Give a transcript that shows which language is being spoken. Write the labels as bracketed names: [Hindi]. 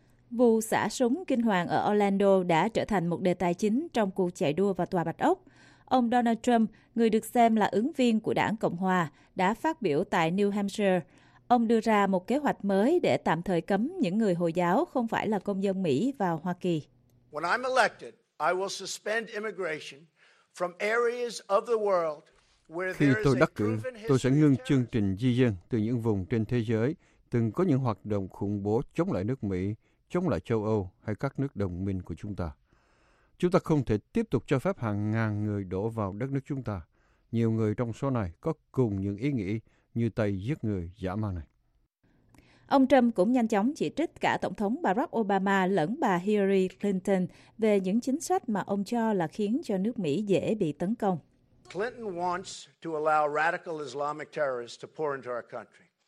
[Vietnamese] Vụ xả súng kinh hoàng ở Orlando đã trở thành một đề tài chính trong cuộc chạy đua vào Tòa Bạch Ốc. Ông Donald Trump, người được xem là ứng viên của Đảng Cộng Hòa, đã phát biểu tại New Hampshire. Ông đưa ra một kế hoạch mới để tạm thời cấm những người Hồi giáo không phải là công dân Mỹ vào Hoa Kỳ. [English] When I'm elected, I will suspend immigration from areas of the world where [Vietnamese] khi tôi đắc cử, tôi sẽ ngưng chương trình di dân từ những vùng trên thế giới từng có những hoạt động khủng bố chống lại nước Mỹ chống lại châu Âu hay các nước đồng minh của chúng ta. Chúng ta không thể tiếp tục cho phép hàng ngàn người đổ vào đất nước chúng ta. Nhiều người trong số này có cùng những ý nghĩ như tay giết người dã man này. Ông Trump cũng nhanh chóng chỉ trích cả Tổng thống Barack Obama lẫn bà Hillary Clinton về những chính sách mà ông cho là khiến cho nước Mỹ dễ bị tấn công. [English] Clinton wants to allow radical Islamic terrorists to pour into our country.